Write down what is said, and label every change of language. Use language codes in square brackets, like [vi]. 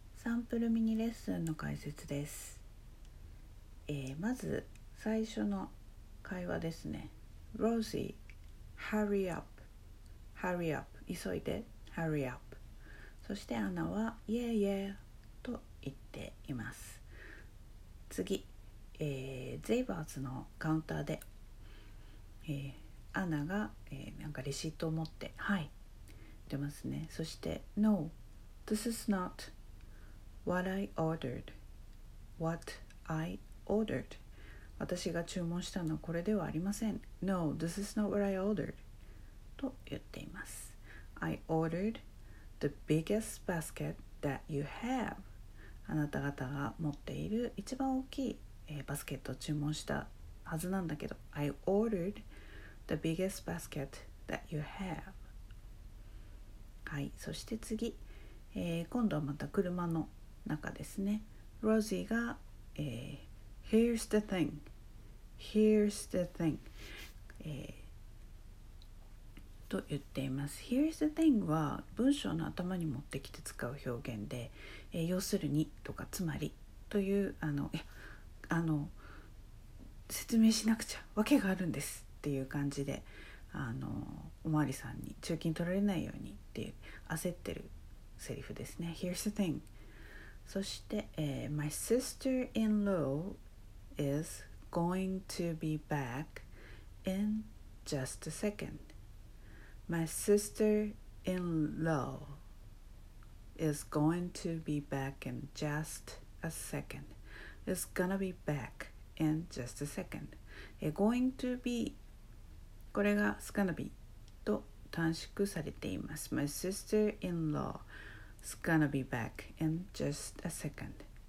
[ja] ンプルミニレッスンの解説です、まず最初の会話ですね。 [en] Rosie Hurry up Hurry up [ja] 急いで [en] Hurry up。 [ja] そしてアナは [en] Yeah yeah [ja] と言っています。次、ゼイバーズのカウンターで、アナが、なんかレシートを持ってはい出ますね。 [en] そして No This is notWhat I ordered. What I ordered. [ja] 私が注文したのはこれではありません。 [en] No, this is not what I ordered. [ja] と言っています。 [en] I ordered the biggest basket that you have. [ja] あなた方が持っている一番大きい、バスケットを注文したはずなんだけど。 [en] I ordered the biggest basket that you have. [ja] はい、そして次。今度はまた車の中ですね。 [en] ロジーが、Here's the thing. Here's the thing.、 [ja] と言っています。 [en] Here's the thing [ja] は文章の頭に持ってきて使う表現で、要するにとかつまりという説明しなくちゃわけがあるんですっていう感じで、おまわりさんに駐禁取られないようにっていう焦ってるセリフですね。 [en] Here's the thing. [ja] そして、 [en] My sister-in-law is going to be back in just a second. My sister-in-law is going to be back in just a second. Is gonna be back in just a second. Going to be [ja] これが [en] is gonna be [ja] と短縮されています。 [en] My sister-in-law. It's gonna be back in just a second.